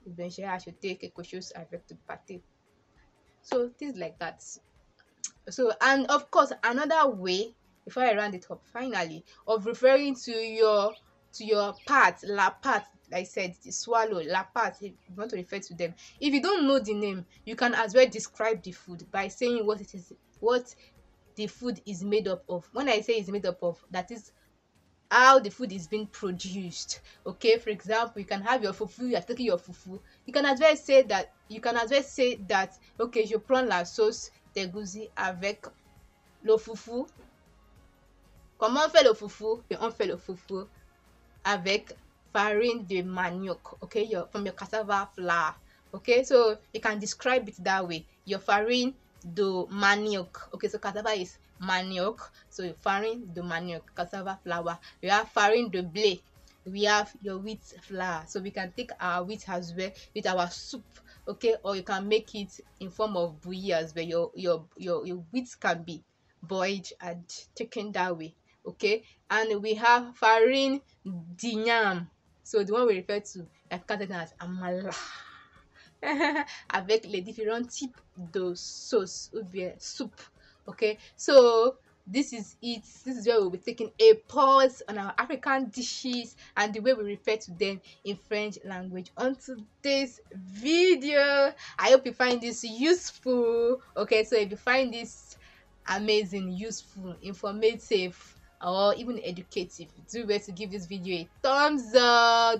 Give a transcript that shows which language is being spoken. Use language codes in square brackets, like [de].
[fr] Ou bien, j'ai acheté quelque chose avec du pâté. [en] So things like that. So, and of course, another way, before I round it up, finally, of referring to your part, la part, like I said, the swallow, la part, you want to refer to them. If you don't know the name, you can as well describe the food by saying what it is, what the food is made up of. When I say it's made up of, that is how the food is being produced. Okay, for example, you can have your fufu, you are taking your fufu. You can as well say that, okay, [fr] je prends la sauce d'egusi avec le fufu. Comment on fait le fufu? On fait le fufu avec farine de manioc, okay? [en] From your cassava flour, okay? So you can describe it that way. Your farine de manioc, okay? So cassava is manioc, so farin de manioc, cassava flour. We have farin de blé. We have your wheat flour, so we can take our wheat as well with our soup, okay? Or you can make it in form of bouillie as well. Your wheat can be boiled and taken that way, okay? And we have farin de yam, so the one we refer to, I've counted as amala. [fr] Avec les différents types de sauce ou bien soup, okay? [en] So this is it. This is where we'll be taking a pause on our African dishes and the way we refer to them in French language on today's video. I hope you find this useful, okay? So if you find this amazing, useful, informative, or even educative, do well to give this video a thumbs up.